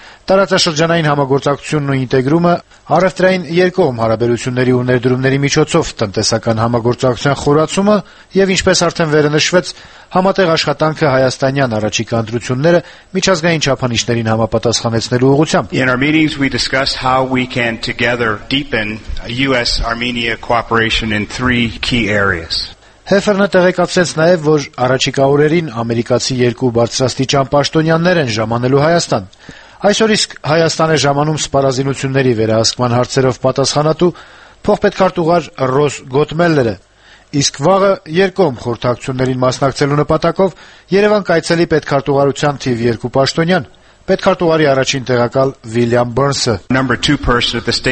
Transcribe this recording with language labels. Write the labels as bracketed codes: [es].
[hy] Տարածաշրջանային համագործակցությունն ու ինտեգրումը, առևտրային երկկողմ հարաբերությունների ու ներդրումների միջոցով տնտեսական համագործակցության խորացումը և, ինչպես արդեն վերնշվեց, համատեղ աշխատանքը հայաստանյան առաջիկա ընտրությունները միջազգային չափանիշներին համապատասխանեցնելու ուղղությամբ։ [en] In our meetings we discussed how we can together deepen US-Armenia cooperation in three key areas. [hy] Հեֆերնը տեղեկացրեց նաև, որ առաջիկա օրերին ամերիկացի երկու բարձրաստիճան պաշտոնյաններ են ժամանելու Հայաստան։ Այսօր իսկ Հայաստանը ժամանում սպառազինությունների վերահսկման հարցերով պատասխանատու փոխպետքարտուղար Ռոս Գոտմելլերը, իսկ վաղը երկկողմ խորհրդակցություններին մասնակցելու նպատակով Երևան կայցելի պետքարտուղարության թիվ երկու պաշտոնյան, պետքարտուղարի առաջին տեղակալ Վիլյամ Բերնսը։